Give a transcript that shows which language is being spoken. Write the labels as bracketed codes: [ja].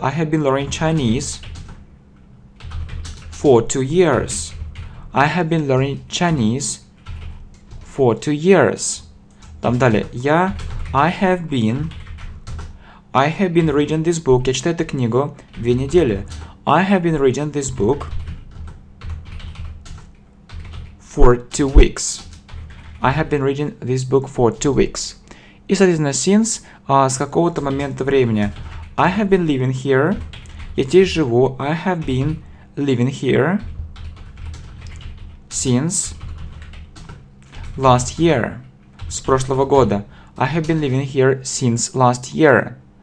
[en] I have been learning Chinese for 2 years. I have been learning Chinese for 2 years. [ru] Там далее. [en] I have been reading this book. [ru] Я читаю эту книгу 2 недели. [en] I have been reading this book for 2 weeks. I have been reading this book for 2 weeks. [ru] И, соответственно, since, с какого-то момента времени. [en] I have been living here. [ru] Я здесь живу. [en] I have been living here since last year. [ru] С прошлого года. [en] I have been living here since last year.